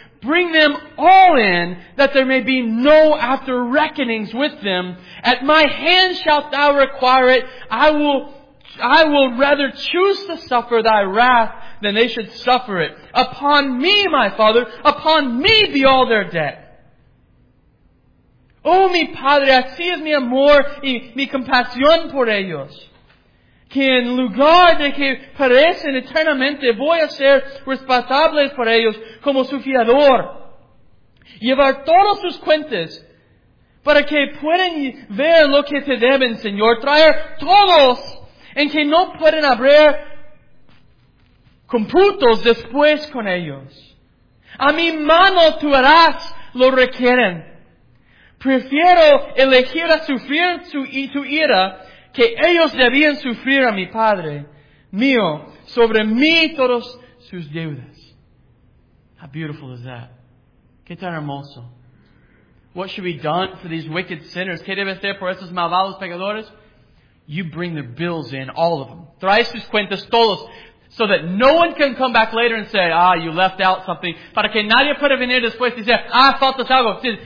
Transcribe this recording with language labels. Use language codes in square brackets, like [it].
[en] Bring them all in, that there may be no after reckonings with them. At my hand shalt thou require it. I will rather choose to suffer thy wrath than they should suffer it. Upon me, my Father, upon me be all their debt. [es] Oh, mi Padre, así es mi amor y mi compasión por ellos. Que en lugar de que perecen eternamente, voy a ser responsable por ellos como su fiador. Llevar todas sus cuentas para que puedan ver lo que te deben, Señor. Traer todos en que no pueden haber computos después con ellos. A mi mano tú harás lo requieren. Prefiero elegir a sufrir tu ira que ellos debían sufrir a mi Padre mío sobre mí todos sus deudas. [en] How beautiful is that? [es] Qué tan hermoso. [en] What should be done for these wicked sinners? [es] Qué debe ser por estos malvados pecadores? [en] You bring their bills in, all of them. [es] Trae sus cuentas, todos. [en] So that no one can come back later and say, ah, you left out something. [es] Para que nadie pueda venir después y decir, ah, faltas algo.